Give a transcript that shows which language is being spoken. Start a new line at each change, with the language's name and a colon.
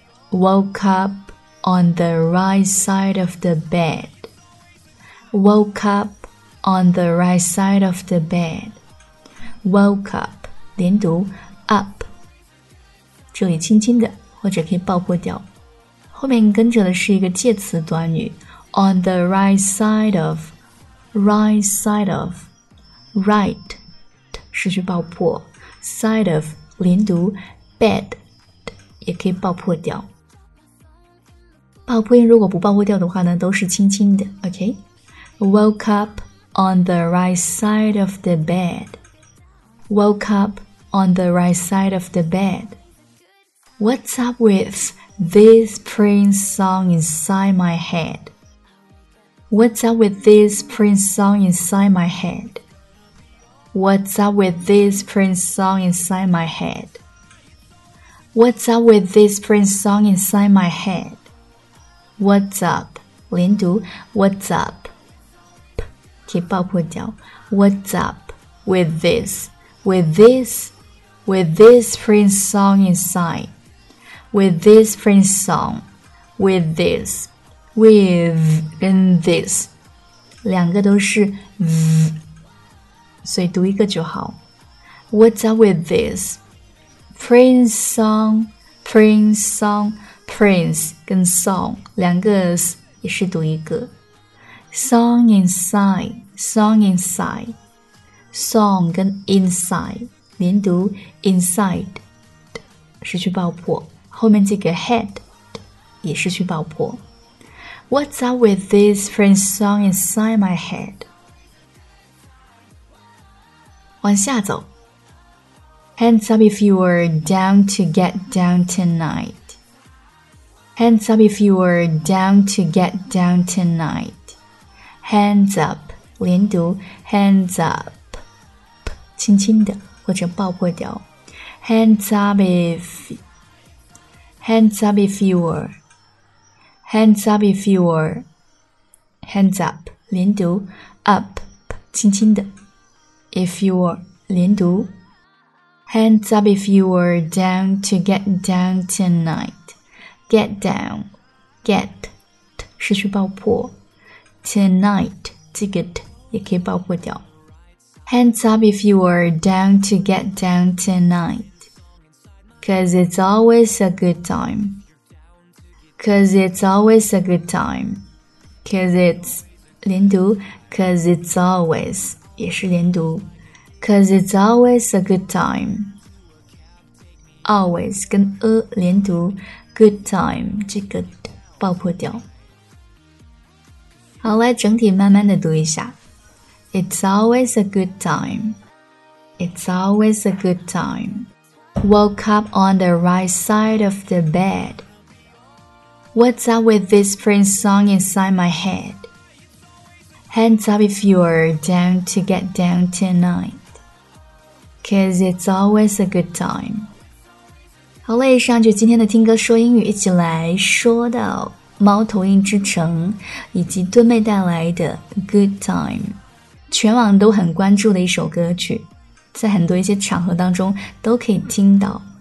English: Woke up on the right side of the bedWoke up on the right side of the bed. Woke up,
Chinese: 连读
English: up.
Chinese: 这里轻轻的，或者可以爆破掉。后面跟着的是一个介词短语 on the right side of, right side of, right, 失去爆破 side of, 连读 bed, 也可以爆破掉。爆破音如果不爆破掉的话呢，都是轻轻的 ,OK?
English: Woke up on the right side of the bed. Woke up on the right side of the bed. What's up with this Prince song inside my head? What's up with this Prince song inside my head? What's up with this Prince song inside my head? What's up with this Prince song inside my head? What's up?
Chinese: 连读
English: What's up?
Chinese: 可以爆破掉
English: What's up with this? With this? With this Prince song inside? With this Prince song? With this? With and this?
Chinese: 两个都是 V 所以读一个就好。
English: What's up with this? Prince song, Prince song, Prince 跟 song
Chinese: 两个也是读一个。
English: Song inside, song inside,
Chinese: song 跟 inside 连读 inside 失去爆破，后面这个 head 也失去爆破。
English: What's up with this French song inside my head?
Chinese: 往下走。
English: Hands up if you were down to get down tonight. Hands up if you were down to get down tonight. Hands up,
Chinese: 连读
English: hands up,
Chinese: 轻轻的或者爆破掉。
English: Hands up if, hands up if you were, hands up if you were, hands up,
Chinese: 连读
English: up,
Chinese: 轻轻的。
English: If you were,
Chinese: 连读。
English: Hands up if you were down to get down tonight. Get down, get,
Chinese: 失去爆破。 Tonight, 这个 t 也可以爆破掉。
English: Hands up if you were down to get down tonight. Cause it's always a good time. Cause it's always a good time. Cause it's,
Chinese: 连读
English: cause it's always,
Chinese: 也是连读
English: cause it's always a good time.
Chinese: Always, 跟连读
English: good time,
Chinese: 这个 t 爆破掉。好，来整体慢慢的读一下。
English: It's always a good time. It's always a good time. Woke up on the right side of the bed. What's up with this Prince song inside my head? Hands up if you're down to get down tonight. Cause it's always a good time.
Chinese: 好嘞，上就今天的听歌说英语，一起来说到猫头鹰之城以及敦妹带来的 Good Time， 全网都很关注的一首歌曲，在很多一些场合当中都可以听到。